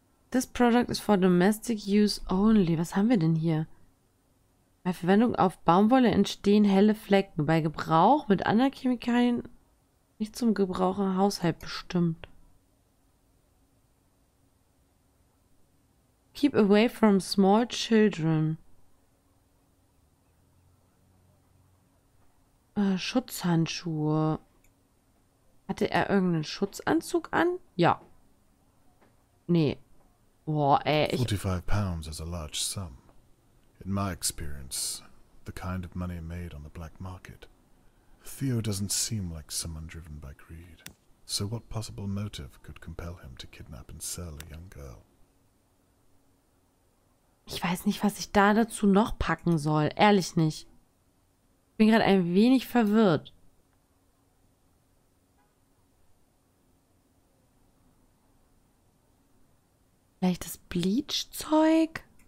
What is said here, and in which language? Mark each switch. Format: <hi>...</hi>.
<en>This product is for domestic use only.</en> <de>Was haben wir denn hier? Bei Verwendung auf Baumwolle entstehen helle Flecken. Bei Gebrauch mit anderen Chemikalien nicht zum Gebrauch im Haushalt bestimmt.</de> <en>Keep away from small children.</en> <de>Schutzhandschuhe. Hatte er irgendeinen Schutzanzug an? Ja. Nee. Boah, ey.</de> <en>45 pounds is a large sum. In my experience, the kind of money made on the black market. Theo doesn't seem like someone driven by greed. So what possible motive could compel him to kidnap and sell a young girl?</en> <de>Ich weiß nicht, was ich da dazu noch packen soll. Ehrlich nicht. Ich bin gerade ein wenig verwirrt. Vielleicht das Bleach-Zeug?</de>